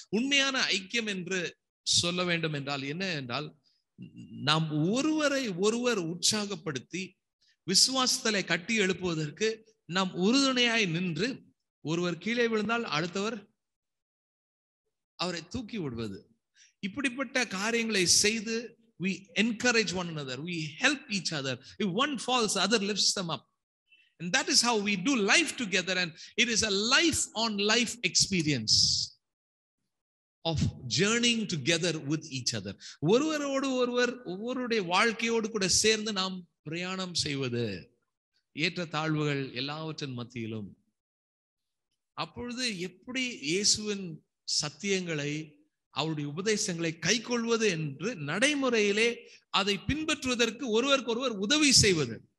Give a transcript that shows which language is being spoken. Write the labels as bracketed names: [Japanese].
[Tamil] உண்மையான ஐக்கியம் என்று சொல்ல வேண்டும் என்றால் என்ன என்றால், நாம் ஒருவரை ஒருவர் உற்சாகப்படுத்தி விசுவாசத்தை கட்டி எழுப்புவதற்கு நாம் உறுதுணையாய் நின்று, ஒருவர் கீழே விழுந்தால் அடுத்தவர் அவரை தூக்கி விடுவது, இப்படிப்பட்ட காரியங்களை செய்து, [English] we encourage one another, we help each other. If one falls, other lifts them up. And that is how we do life together. And it is a life-on-life experience of journeying together with each other. [Tamil] ஒருவரோடு ஒருவர் ஒவ்வொருடைய வாழ்க்கையோடு கூட சேர்ந்து நாம் பிரயாணம் செய்வது, ஏற்ற தாழ்வுகள் எல்லாவற்றின் மத்தியிலும். அப்பொழுது எப்படி இயேசுவின் சத்தியங்களை, அவருடைய உபதேசங்களை கை கொள்வது என்று நடைமுறையிலே அதை பின்பற்றுவதற்கு ஒருவருக்கொருவர் உதவி செய்வது.